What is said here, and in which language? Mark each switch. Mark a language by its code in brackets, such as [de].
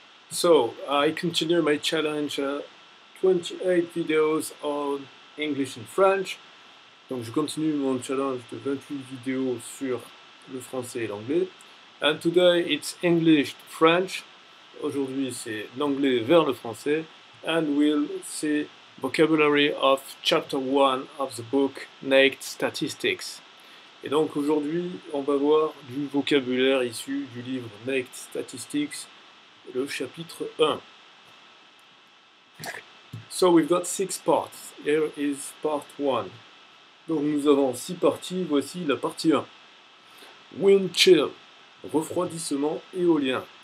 [en] So, I continue my challenge 28 videos on English and French. [fr] Donc je continue mon challenge de 28 vidéos sur le français et l'anglais. [en] And today it's English to French. [fr] Aujourd'hui c'est l'anglais vers le français. [en] And we'll see vocabulary of chapter 1 of the book Naked Statistics. [fr] Et donc aujourd'hui, on va voir du vocabulaire issu du livre Naked Statistics, le chapitre 1. [en] So we've got 6 parts. Here is part 1. [fr] Donc nous avons 6 parties, voici la partie 1. Wind chill, refroidissement éolien.